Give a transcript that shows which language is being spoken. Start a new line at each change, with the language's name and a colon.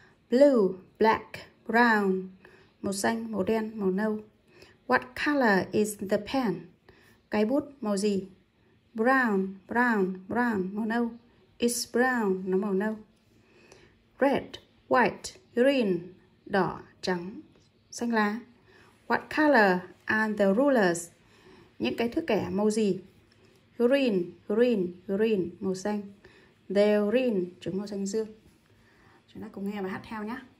English: Blue, black, brown,
Vietnamese: màu xanh, màu đen, màu nâu.
English: What color is the pen?
Vietnamese: Cái bút màu gì?
English: Brown, brown, brown,
Vietnamese: màu nâu.
English: It's brown,
Vietnamese: nó màu nâu.
English: Red, white, green,
Vietnamese: đỏ, trắng, xanh lá.
English: What color are the rulers?
Vietnamese: Những cái thước kẻ màu gì?
English: Green, green, green,
Vietnamese: màu xanh.
English: They're green,
Vietnamese: chúng màu xanh dương. Chúng ta cùng nghe và hát theo nhé.